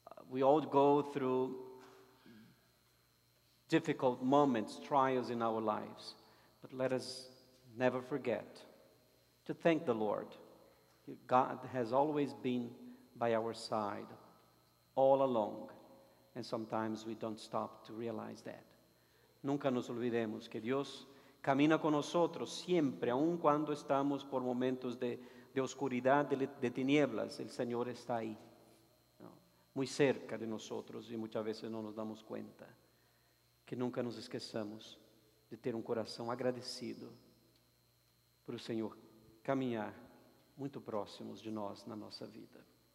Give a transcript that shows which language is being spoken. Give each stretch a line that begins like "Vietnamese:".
English: We all go through difficult moments, trials in our lives. But let us never forget to thank the Lord. God has always been by our side all along. And sometimes we don't stop to realize that.
Spanish: Nunca nos olvidemos que Dios camina con nosotros siempre, aun cuando estamos por momentos de oscuridad, de tinieblas. El Señor está ahí, ¿no? Muy cerca de nosotros y muchas veces no nos damos cuenta.
Portuguese: Que nunca nos esqueçamos de ter coração agradecido para o Senhor caminhar muito próximos de nós na nossa vida.